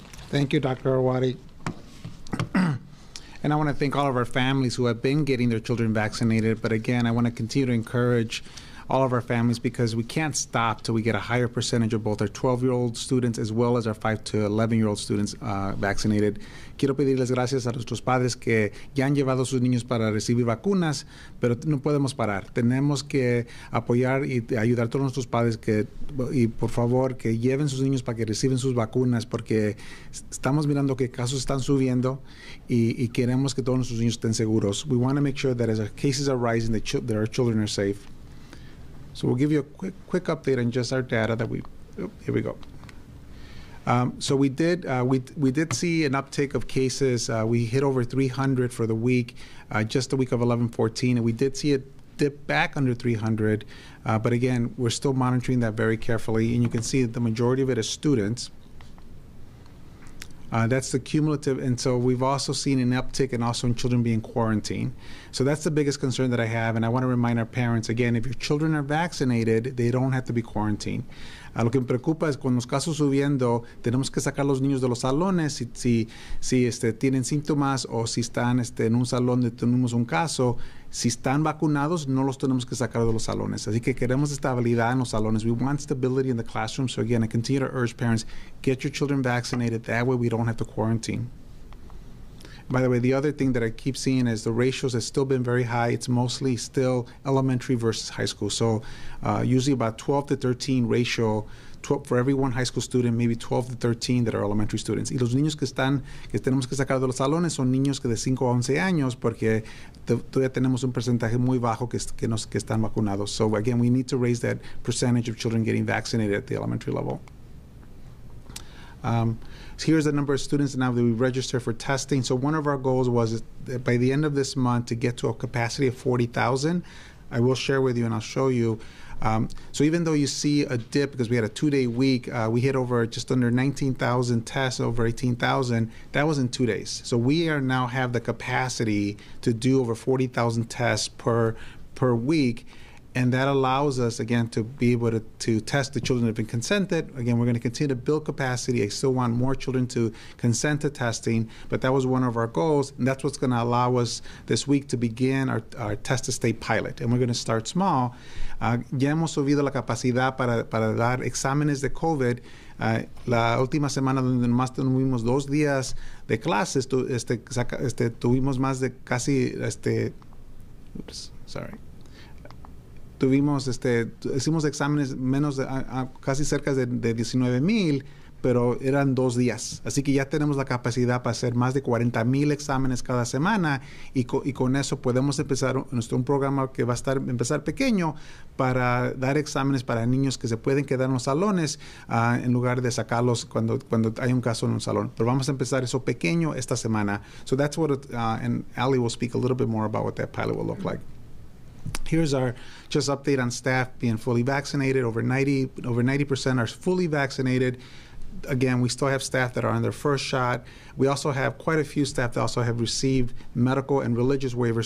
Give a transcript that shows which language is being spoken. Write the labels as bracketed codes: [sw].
[en] Thank you, Dr. Arwady. And I want to thank all of our families who have been getting their children vaccinated. But again, I want to continue to encourage all of our families, because we can't stop till we get a higher percentage of both our 12-year-old students as well as our 5 to 11-year-old students vaccinated. [es] Quiero pedirles gracias a nuestros padres que ya han llevado sus niños para recibir vacunas, pero no podemos parar. Tenemos que apoyar y ayudar a todos nuestros padres que, y por favor, que lleven sus niños para que reciben sus vacunas, porque estamos mirando que casos están subiendo y queremos que todos nuestros niños estén seguros. [en] We want to make sure that as our cases are rising, that our children are safe. So we'll give you a quick update on just our data that we, here we go. So we did we did see an uptick of cases. We hit over 300 for the week, just the week of 11-14, and we did see it dip back under 300. But again, we're still monitoring that very carefully, and you can see that the majority of it is students. That's the cumulative, and so we've also seen an uptick and also in children being quarantined. So that's the biggest concern that I have, and I want to remind our parents, again, if your children are vaccinated, they don't have to be quarantined. [es] A lo que me preocupa es cuando los casos subiendo, tenemos que sacar los niños de los salones si tienen síntomas o si están en un salón donde tenemos un caso. Si están vacunados, no los tenemos que sacar de los salones. Así que queremos estabilidad en los salones. [en] We want stability in the classroom. So again, I continue to urge parents, get your children vaccinated. That way we don't have to quarantine. By the way, the other thing that I keep seeing is the ratios have still been very high. It's mostly still elementary versus high school. So usually about 12 to 13 ratio, 12, for every one high school student, maybe 12 to 13 that are elementary students. [es] Y los niños que tenemos que sacar de los salones son niños que de 5 a 11 años porque todavía tenemos un porcentaje muy bajo que están vacunados. [en] So again, we need to raise that percentage of children getting vaccinated at the elementary level. So here's the number of students now that we registered for testing. So one of our goals was that by the end of this month to get to a capacity of 40,000. I will share with you and I'll show you. So even though you see a dip because we had a two-day week, we hit over just under 19,000 tests, over 18,000. That was in 2 days. So we are now have the capacity to do over 40,000 tests per week. And that allows us, again, to be able to test the children that have been consented. Again, we're going to continue to build capacity. I still want more children to consent to testing, but that was one of our goals, and that's what's going to allow us this week to begin our test-to-state pilot. And we're going to start small. [es] Ya hemos subido la capacidad para dar exámenes de COVID. La última semana donde más tuvimos 2 días de clases, tuvimos más de casi, [en] oops, sorry. [es] Tuvimos hicimos exámenes menos de casi cerca de 19,000, pero eran 2 días. Así que ya tenemos la capacidad para hacer más de 40,000 exámenes cada semana y con eso podemos empezar un programa que va a estar empezar pequeño para dar exámenes para niños que se pueden quedar en los salones en lugar de sacarlos cuando hay un caso en un salón. Pero vamos a empezar eso pequeño esta semana. [en] So that's what and Ali will speak a little bit more about what that pilot will look like. Here's our just update on staff being fully vaccinated. Over 90% are fully vaccinated. Again, we still have staff that are on their first shot. We also have quite a few staff that also have received medical and religious waivers.